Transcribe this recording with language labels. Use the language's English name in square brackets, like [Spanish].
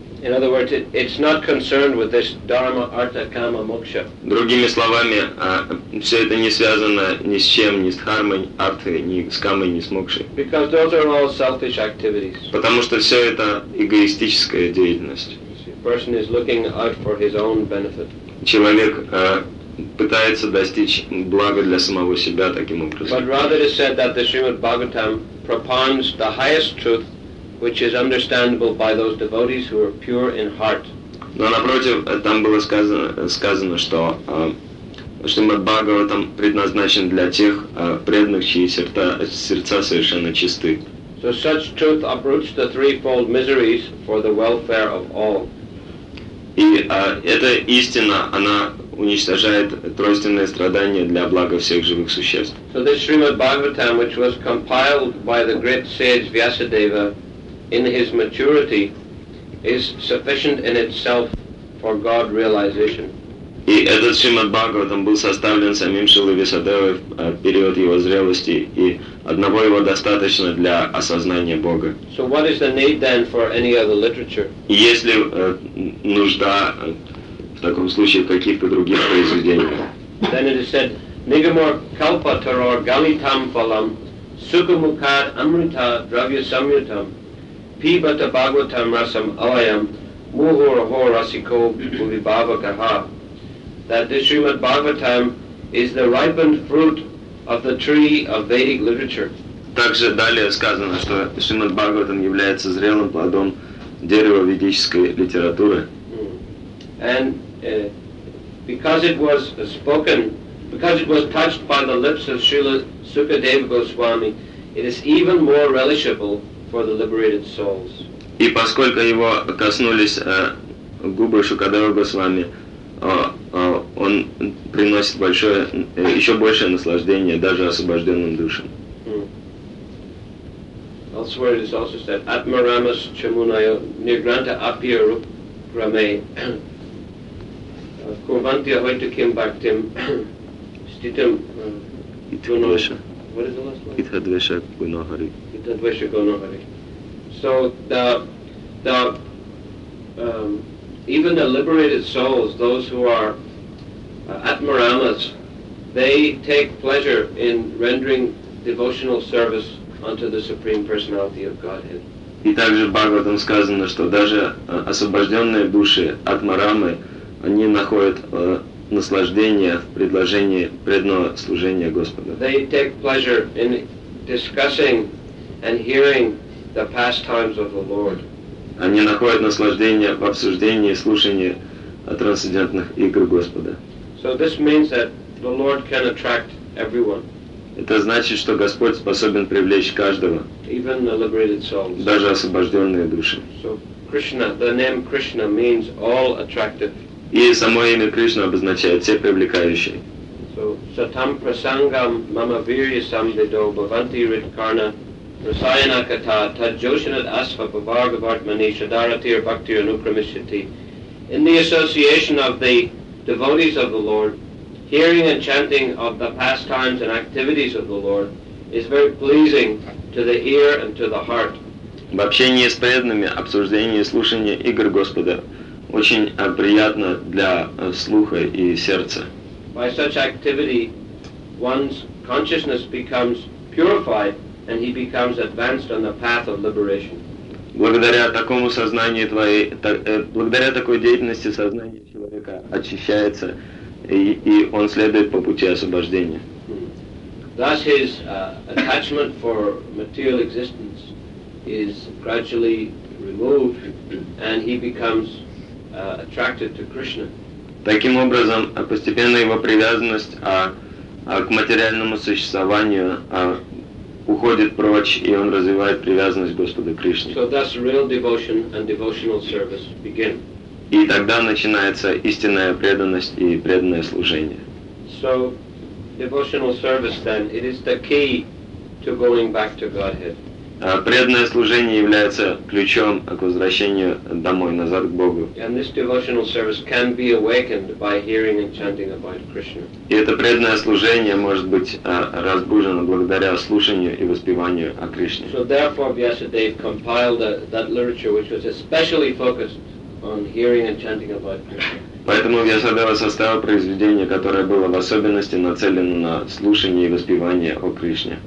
[English] In other words, it's not concerned with this dharma, artha, kama, moksha. [Russian] Другими словами, все это не связано ни с чем, ни с дхармой, артхой, ни с камой, ни с мокшей. [English] Because those are all selfish activities. [Russian] Потому что все это эгоистическая деятельность. [English] See, person is looking out for his own benefit. [Russian] Человек пытается достичь блага для самого себя таким образом. [English] But rather it is said that the Srimad Bhagavatam propounds the highest truth, which is understandable by those devotees who are pure in heart. [Russian] Но напротив, там было сказано, что Шримад Бхагаватам предназначен для тех преданных, чьи сердца совершенно чисты. [English] So such truth uproots the threefold miseries for the welfare of all. [Russian] И эта истина, она уничтожает тройственные страдания для блага всех живых существ. [English] So this Srimad Bhagavatam, which was compiled by the great sage Vyasadeva in his maturity, is sufficient in itself for God realization. [Russian] И этот Srimad Bhagavatam был составлен самим Шрилой Вьясадевой в период его зрелости, и одного его достаточно для осознания Бога. [English] So what is the need then for any other literature? [Russian] Если нужда в таком случае в каких-то других произведениях. [English] Then it is said, [Sanskrit] Nigamor Kalpa Taror Galitam Falam Sukumukad Amrita Dravya Samyutam Pibata Bhagavatam Rasam Avayam Muhur Ho Rasiko Uvibhava Gaha. [English] That this Srimad Bhagavatam is the ripened fruit of the tree of Vedic literature. [Russian] Также далее сказано, что Srimad Bhagavatam является зрелым плодом дерева ведической литературы. [English] And because it was spoken, because it was touched by the lips of Srila Sukadeva Goswami, it is even more relishable for the liberated souls. [Russian] И поскольку его коснулись губы Шукадева Госвами, он приносит большое, еще большее наслаждение даже освобожденным душам. [English] Elsewhere it is also said, [Sanskrit] Atmaramas Chamunayo Nirgranta Apiru Grame Kurvanti Ahoitukim Bhaktim Stitim Itunosha. [English] What is the last one? [Sanskrit] Itadvesha Gunahari. Itadvesha Gunahari. [English] So even the liberated souls, those who are Atmaramas, they take pleasure in rendering devotional service unto the Supreme Personality of Godhead. [Russian] И также в Бхагаватам сказано, что даже освобожденные души Атмарамы, они находят наслаждение в предложении преданного служения Господу. [English] They take pleasure in discussing and hearing the pastimes of the Lord. [Russian] Они находят наслаждение в обсуждении и слушании трансцендентных игр Господа. [English] So this means that the Lord can attract everyone. [Russian] Это значит, что Господь способен привлечь каждого, [English] even the liberated souls. [Russian] Даже освобожденные души. [English] So Krishna, the name Krishna means all attractive. [Russian] И само имя Кришна обозначает все привлекающие. [Sanskrit] So satam prasangam mama virya samvido bhavanti ridkarna rasayana katha tadjoshanat asva bhavargavart manishadaratir bhakti anukramishyati. [English] In the association of the devotees of the Lord, hearing and chanting of the pastimes and activities of the Lord is very pleasing to the ear and to the heart. [Russian] В общении с преданными обсуждение и слушание игр Господа очень приятно для слуха и сердца. [English] By such activity, one's consciousness becomes purified and he becomes advanced on the path of liberation. [Russian] Благодаря такому сознанию твоей, благодаря такой деятельности сознание человека очищается и он следует по пути освобождения. [English] Thus his attachment for material existence is gradually removed and he becomes attracted to Krishna. [Russian] Таким образом, постепенно его привязанность к материальному существованию уходит прочь, и он развивает привязанность к Господу Кришне. [English] So thus real devotion and devotional service begin. [Russian] И тогда начинается истинная преданность и преданное служение. [English] So devotional service then, it is the key to going back to Godhead. [Russian] Преданное служение является ключом к возвращению домой, назад к Богу. [English] And this devotional service can be awakened by hearing and chanting about Krishna. [Russian] И это преданное служение может быть разбужено благодаря слушанию и воспеванию о Кришне. [English] So therefore Vyasadeva compiled that literature which was especially focused on hearing and chanting about Krishna. [Russian] Поэтому Vyasadeva составил произведение, которое было в особенности нацелено на слушание и воспевание о Кришне.